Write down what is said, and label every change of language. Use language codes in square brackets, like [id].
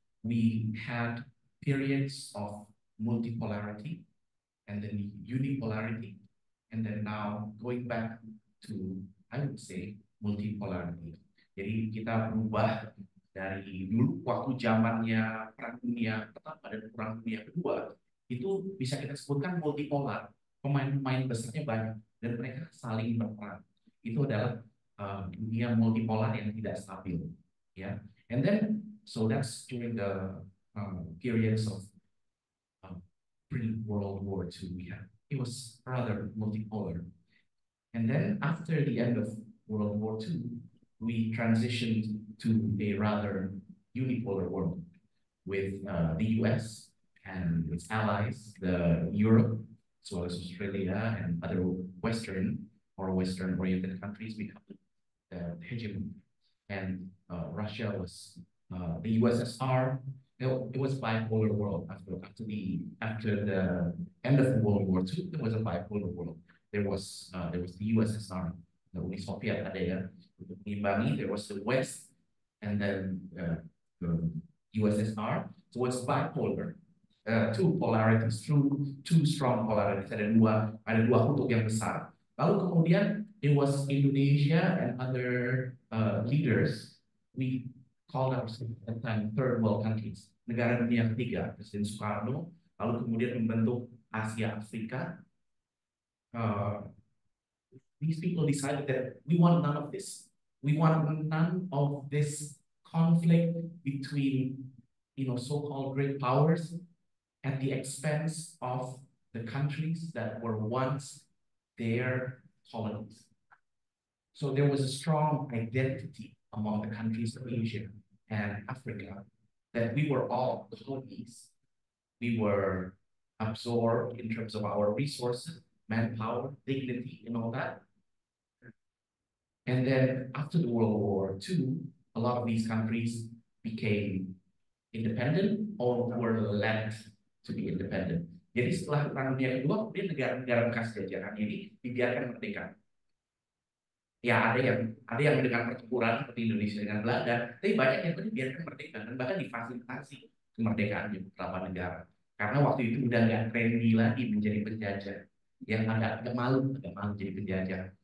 [en] We had periods of multipolarity and then unipolarity. And then now going back to I would say multipolarity. [id] Jadi kita berubah dari dulu waktu zamannya perang dunia pertama dan perang dunia kedua itu bisa kita sebutkan multipolar. Pemain-pemain besarnya banyak dan mereka saling berperang. Itu adalah dunia multipolar yang tidak stabil, ya. [en] Yeah. And then so that's during the periods of pre-World War II, ya. Yeah. It was rather multipolar. And then after the end of World War II, we transitioned to a rather unipolar world with the US and its allies, the Europe, as well as Australia and other Western or Western-oriented countries become the hegemon. And Russia was the USSR. It was a bipolar world after the end of World War II. There was a bipolar world. There was the USSR, the Uni Soviet [id] ada ya. Diimbangi. [en] There was the West and then the USSR. So it's bipolar, two polarities, two strong polarities. [id] Ada dua kutub yang besar. Lalu kemudian [en] it was Indonesia and other leaders. We called ourselves at the time third world countries. [id] Negara dunia ketiga, Presiden Soekarno, lalu kemudian membentuk Asia Afrika. [en] These people decided that we want none of this. We want none of this conflict between, you know, so-called great powers at the expense of the countries that were once their colonies. So there was a strong identity among the countries of Asia and Africa. That we were all colonies, we were absorbed in terms of our resources, manpower, dignity, and all that. And then after the World War II, a lot of these countries became independent or were left to be independent. [id] Jadi setelah Perang Dunia Kedua, kemudian negara-negara bekas jajahan ini dibiarkan merdeka. Ya ada yang dengan pertempuran seperti Indonesia dengan Belanda, tapi banyak yang dibiarkan merdeka dan bahkan difasilitasi kemerdekaan di beberapa negara karena waktu itu udah nggak trendy lagi menjadi penjajah yang agak malu jadi penjajah.